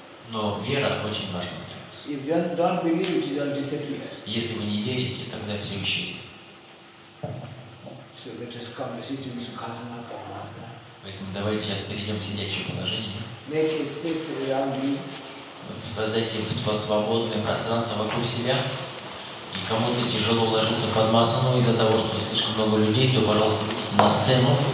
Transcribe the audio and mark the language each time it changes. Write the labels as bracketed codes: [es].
[ru] Но вера очень важна для вас. [en] If you don't believe it, it'll disappear. [ru] Если вы не верите, тогда все исчезнет. [en] So let us come sit in sukhasana or asana. [ru] Поэтому давайте сейчас перейдем в сидячее положение. [en] Make a space around you. [ru] Вот создайте свободное пространство вокруг себя. И кому-то тяжело ложиться под асану из-за того, что слишком много людей, то, пожалуйста, выйдите на сцену.